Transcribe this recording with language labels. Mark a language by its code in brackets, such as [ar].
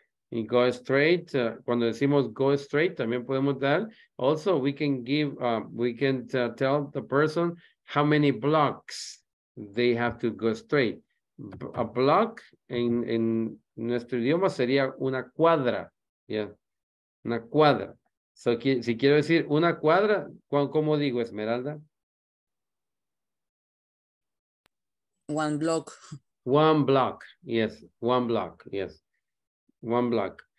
[es] Y go straight, cuando decimos go straight, también podemos dar. [en] Also, we can give, we can tell the person how many blocks they have to go straight. [es] A block en nuestro idioma sería una cuadra, yeah, una cuadra. So, si quiero decir una cuadra, ¿cómo digo, Esmeralda? [en] One block. One block, yes, one block, yes. One block.